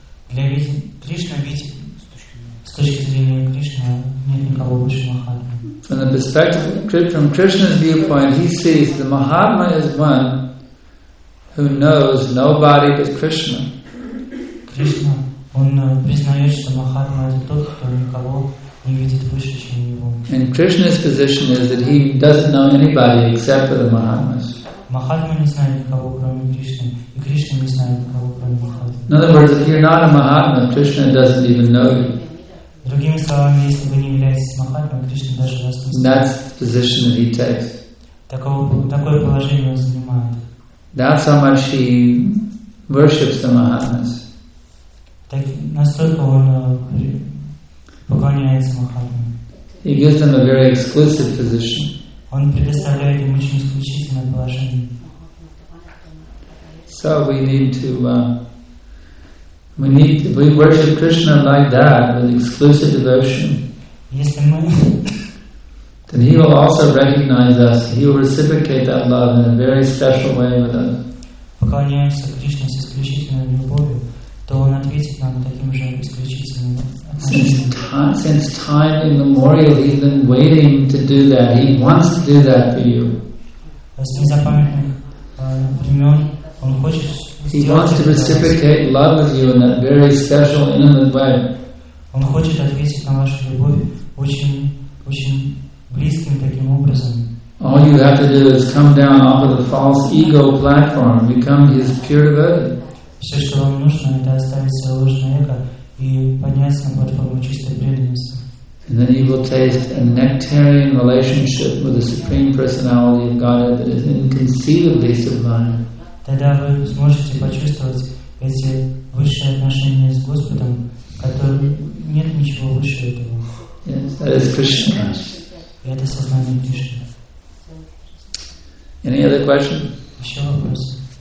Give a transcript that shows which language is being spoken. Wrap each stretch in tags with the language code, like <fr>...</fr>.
<ru>Для Кришны, с точки зрения Кришны, нет никого выше Mahatma.</ru> <en>From the perspective, from Krishna's viewpoint, he sees the Mahatma is one who knows nobody but Krishna.</en> <ru>Krishna, он признает, что Махатма это тот, кто никого не видит выше, чем его.</ru> <en>And Krishna's position is that he doesn't know anybody except for the Mahatmas.</en> <ru>Махатма не знает никого кроме Кришны, и Кришна не знает никого кроме Махатмы.</ru> <en>In other words, if you're not a Mahatma, Krishna doesn't even know you.</en> <ru>Другими словами, если вы не являетесь Махатмой, Кришна даже вас не знает.</ru> <en>That's the position that he takes.</en> <ru>Такое положение он занимает.</ru> <en>That's how much he worships the Mahatmas.</en> <ru>Так настолько он поклоняется Махатме.</ru> <en>He gives them a very exclusive position.</en> <ru>Он предоставляет им очень исключительное положение.</ru> <en>So we need to we worship Krishna like that, with exclusive devotion. Yes, I mean. Then he will also recognize us. He will reciprocate that love in a very special way with us.</en> <ru>Поклоняемся Кришне с исключительной любовью, то он ответит нам таким же исключительным.</ru> <en>Since time immemorial, he's been waiting to do that. He wants to do that for you.</en> <ru>С незапамятных времен он хочет.</ru> <en>He wants to reciprocate love with you in that very special, intimate way.</en> <ru>Он хочет ответить на вашу любовь очень близким таким образом.</ru> <en>All you have to do is come down off of the false ego platform, become his pure devotee.</en> <ru>Все, что вам нужно, это оставить свое ложное эго и подняться на платформу чистой преданности.</ru> <en>And then you will taste a nectarian relationship with the Supreme Personality of Godhead that is inconceivably sublime.</en> <ru>Тогда вы сможете почувствовать эти высшие отношения с Господом, которые нет ничего выше этого.</ru> <en>Yes, that is Krishna.</en> <ru>И это сознание Кришны.</ru> <en>Any other question?</en> <ru>Еще вопрос.</ru>